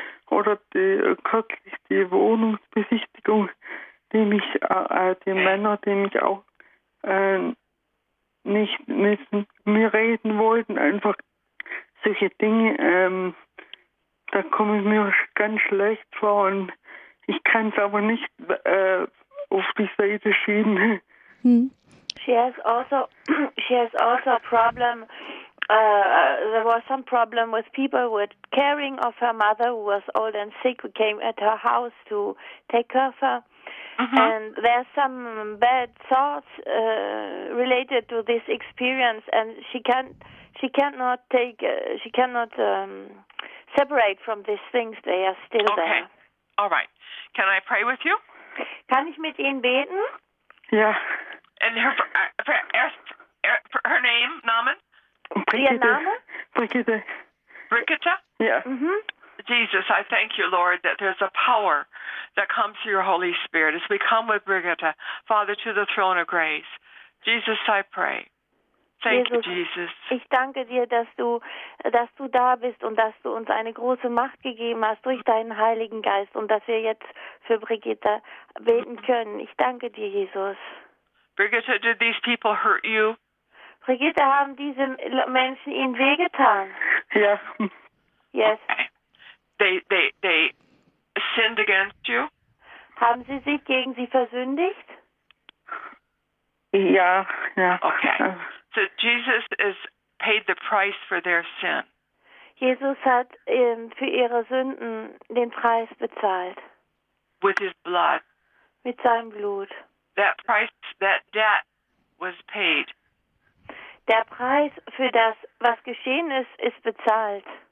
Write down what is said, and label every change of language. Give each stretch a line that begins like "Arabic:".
German: Oder kürzlich die Wohnungsbesichtigung, die Männer, die mich auch nicht mit mir reden wollten, einfach solche Dinge, da komme ich mir ganz schlecht vor, und ich kann es aber nicht auf die Seite schieben. Hm.
English: She has also a problem. There was some problem with people with caring of her mother, who was old and sick, who came at her house to take care of her. Uh-huh. And there are some bad thoughts related to this experience, and she cannot separate from these things. They are still okay. There. Okay. All right. Can I pray with you?
German: Kann ich mit Ihnen beten? Ja.
English: And her name, Namen?
German: Ihr Name? Brigitte. Brigitte? Ja. Mm-hmm.
English: Jesus, I thank you, Lord, that there's a power that comes through your Holy Spirit. As we come with Brigitte, Father, to the throne of grace. Jesus, I pray. Thank you, Jesus.
German: Ich danke dir, dass du da bist und dass du uns eine große Macht gegeben hast durch deinen Heiligen Geist, und dass wir jetzt für Brigitte beten können. Ich danke dir, Jesus.
English: Brigitte, did these people hurt you?
German: Brigitte, haben diese Menschen ihnen wehgetan? Ja.
English: Yes. Okay. They sinned against you?
German: Haben sie sich gegen sie versündigt? Ja, ja.
English: Okay. So Jesus has paid the price for their sin.
German: Jesus hat für ihre Sünden den Preis bezahlt.
English: With his blood.
German: Mit seinem Blut.
English: That price, that debt was paid.
German: Der Preis für das, was geschehen ist, ist bezahlt.